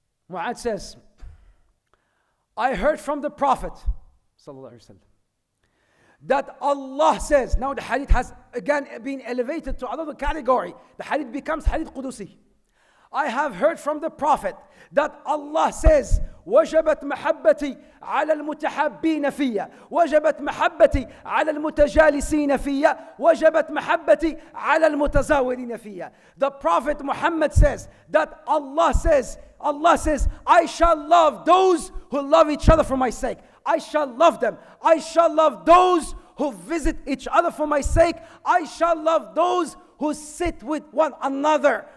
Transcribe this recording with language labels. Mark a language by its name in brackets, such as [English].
[English] Mu'ad says, I heard from the Prophet sallallahu alaihi wasallam that Allah says, now the hadith has again been elevated to another category. The hadith becomes hadith Qudusi. I have heard from the Prophet that Allah says, [Arabic] وَجَبَتْ مَحَبَّتِي عَلَى الْمُتَحَبِّينَ فِيَّ وَجَبَتْ مَحَبَّتِي عَلَى الْمُتَجَالِسِينَ فِيَّ وَجَبَتْ مَحَبَّتِي عَلَى الْمُتَزَاوِلِينَ فِيَّ. [English] The Prophet Muhammad says that Allah says, I shall love those who love each other for my sake. I shall love them. I shall love those who visit each other for my sake. I shall love those who sit with one another.